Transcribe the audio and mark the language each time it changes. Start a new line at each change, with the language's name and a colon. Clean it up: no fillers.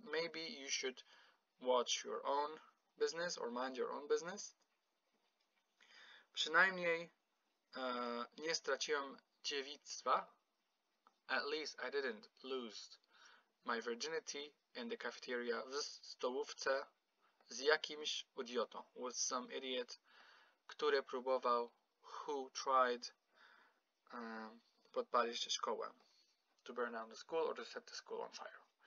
English: Maybe you should watch your own business or mind your own business.
Polish: Przynajmniej nie straciłem dziewictwa.
English: At least I didn't lose my virginity in the cafeteria
Polish: w stołówce z jakimś idiotą,
English: with some idiot,
Polish: który próbował,
English: who tried
Polish: podpalić szkołę,
English: to burn down the school or to set the school on fire.